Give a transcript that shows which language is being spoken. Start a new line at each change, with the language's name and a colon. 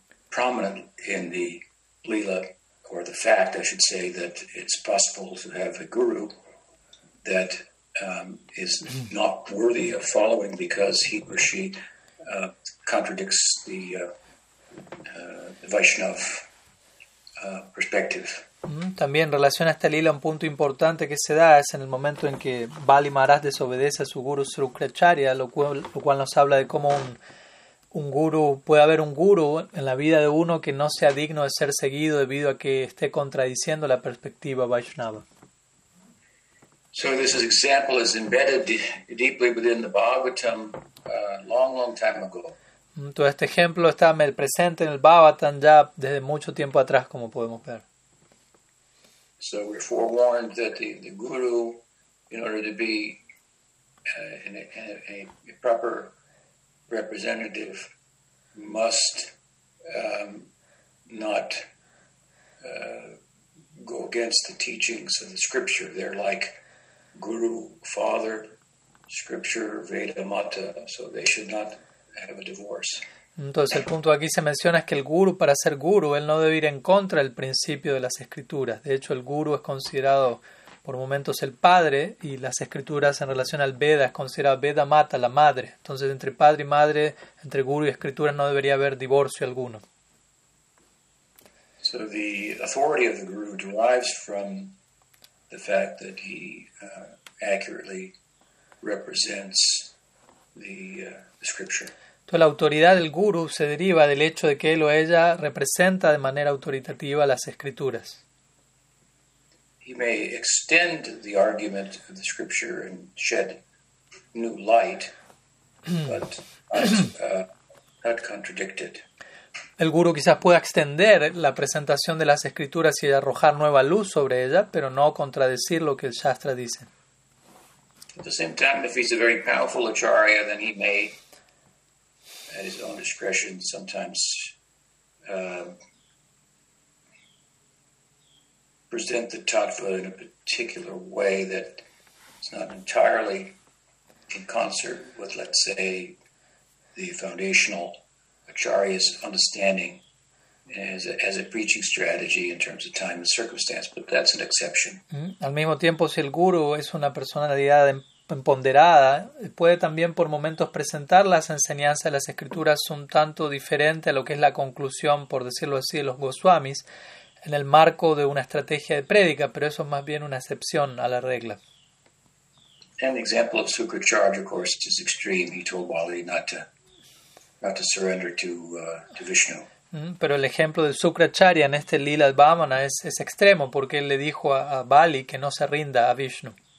English: prominent in the Leela, or the fact, I should say, that it's possible to have a guru that is not worthy of following because he or she contradicts the Vaishnav perspective.
Spanish: También relaciona a esta Leela un punto importante que se da es en el momento en que Bali Maharaj desobedece a su guru Srukracharya, lo cual nos habla de cómo un guru, puede haber un guru en la vida de uno que no sea digno de ser seguido debido a que esté contradiciendo la perspectiva Vaishnava.
English: So this example is embedded deeply within the Bhagavatam long time ago.
Spanish: Todo este ejemplo está presente en el Bhagavatam ya desde mucho tiempo atrás, como podemos ver.
English: So we're forewarned that the guru, in order to be a proper representative, must not go against the teachings of the scripture. They're like guru, father, scripture, Veda, Mata, so they should not have a divorce.
Spanish: Entonces el punto aquí se menciona es que el guru, para ser guru, él no debe ir en contra del principio de las escrituras. De hecho, el guru es considerado por momentos el padre, y las escrituras en relación al Veda es considerada Veda Mata, la madre. Entonces, entre padre y madre, entre guru y escrituras, no debería haber divorcio alguno.
English: So the authority of the guru derives from the fact that he accurately represents the scripture.
Spanish: Entonces, la autoridad del guru se deriva del hecho de que él o ella representa de manera autoritativa las escrituras.
English: He may extend the argument of the scripture and shed new light, but not contradict it.
Spanish: El guru quizás pueda extender la presentación de las escrituras y arrojar nueva luz sobre ella, pero no contradecir lo que el Shastra dice.
English: At the same time, if he's a very powerful acharya, then he may, at his own discretion, sometimes present the tattva in a particular way that is not entirely in concert with, let's say, the foundational acharya's understanding as a preaching strategy in terms of time and circumstance, but that's an exception.
Spanish: Al mismo tiempo, si el guru es una personalidad empoderada, puede también por momentos presentar las enseñanzas de las escrituras un tanto diferente a lo que es la conclusión, por decirlo así, de los Goswamis, en el marco de una estrategia de prédica, pero eso es más bien una excepción a la regla.
English: And the example of Sukracharya, of course, is extreme. He told Bali not to surrender to Vishnu.
Spanish: Pero el ejemplo de Sukracharya en este Lila Vamana es extremo, porque él le dijo a Bali que no se rinda a Vishnu.